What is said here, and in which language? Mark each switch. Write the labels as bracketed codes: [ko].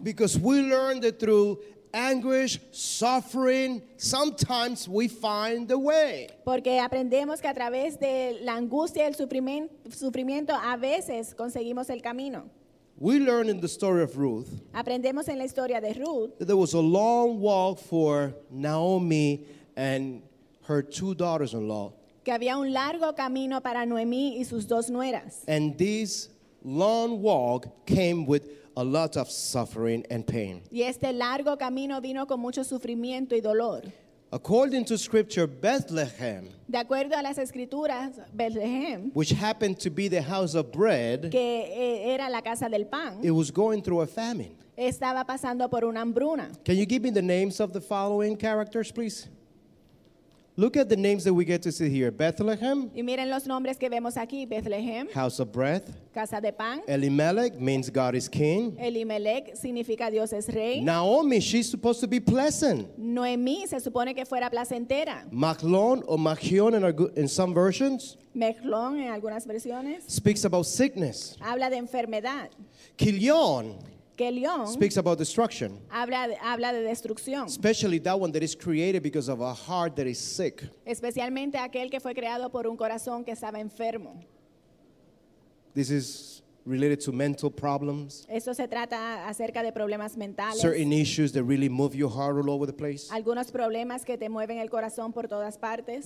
[en] Because we learn that through anguish, suffering, sometimes we find the way. [es] Porque aprendemos que a través de la angustia y el sufrimiento a veces conseguimos el camino. [en] We learn in the story of Ruth. [es] Aprendemos en la historia de Ruth. [en] That there was a long walk for Naomi and her two daughters-in-law. [es] Que había un largo camino para Noemí y sus dos nueras. [en] And this long walk came with a lot of suffering and pain. [es] Y este largo camino vino con mucho sufrimiento y dolor. [en] According to scripture, Bethlehem, [es] de acuerdo a las escrituras, Bethlehem, [en] which happened to be the house of bread, [es] que era la casa del pan, [en] it was going through a famine. [es] Estaba pasando por una hambruna. [en] Can you give me the names of the following characters, please? Look at the names that we get to see here. Bethlehem. [es] Y miren los nombres que vemos aquí. Bethlehem. [en] House of bread. [es] Casa de pan. [en] Elimelech means God is king. [es] Elimelech significa Dios es rey. [en] Naomi, she's supposed to be pleasant. [es] Noemí se supone que fuera placentera. [en] Mahlon or Mahion in some versions. [es] Mahlon en algunas versiones. [en] Speaks about sickness. [es] Habla de enfermedad. Kilion. Kelion [en] speaks about destruction. [es] Habla de destrucción. [en] Especially that one that is created because of a heart that is sick. [es] Especialmente aquel que fue creado por un corazón que estaba enfermo. [en] This is related to mental problems. [es] Esto se trata acerca de problemas mentales. [en] Certain issues that really move your heart all over the place. [es] Algunos problemas que te mueven el corazón por todas partes.